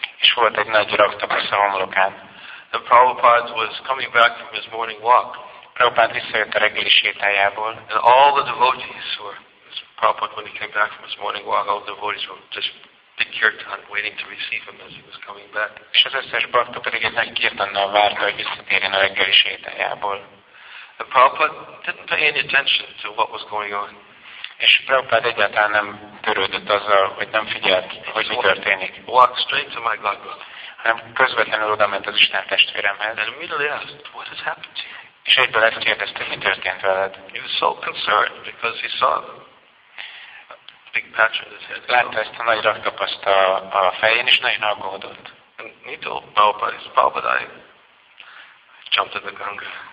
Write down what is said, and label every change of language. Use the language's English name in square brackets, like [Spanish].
[Hungarian] És volt egy nagy raktapasz a homlokán. [English] And Prabhupada was coming back from his morning walk. [Hungarian] Prabhupada visszajött a reggeli sétájából. [English] And all the devotees were, Prabhupada, when he came back from his morning walk, all the devotees were just big kirtan waiting to receive him as he was coming back. [Hungarian] És az összes bhakta pedig egy nagy kirtannal várta, hogy visszatérjen a reggeli sétájából. [English] And Prabhupada didn't pay any attention to what was going on. [Hungarian] És Prabhupada egyáltalán nem törődött azzal, hogy nem figyelt, hogy mi történik. [English] Walked straight to my godbrother. [Hungarian] Hanem közvetlenül oda ment az Isten testvéremhez. [English] And immediately asked, what has happened to you? [Hungarian] És egyből ezt kérdezte, mi történt veled. [English] He was so concerned because he saw a big patch on his head. [Hungarian] Látta ezt a nagy raktapaszt a fején, és nagyon aggódott. [English] And he told Prabhupada, Prabhupada, I jumped in the Ganga.